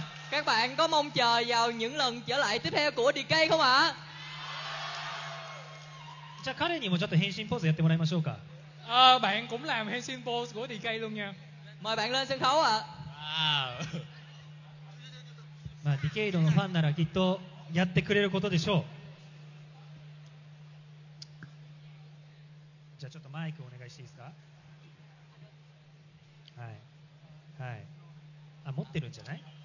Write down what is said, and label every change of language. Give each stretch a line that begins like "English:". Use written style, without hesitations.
Vietnamese: Các bạn có mong chờ vào những lần trở lại tiếp theo của DK không ạ?
Japanese: じゃあ彼にもちょっと変身ポーズやってもらいましょうか。
Vietnamese: Bạn cũng làm hình sinh pose của DK luôn nha. Mời bạn lên sân khấu ạ.
Japanese: まあ、ディケイドのファンならきっとやってくれることでしょう。じゃあちょっとマイクお願いしていいですか。はいはい、あ、持ってるんじゃない。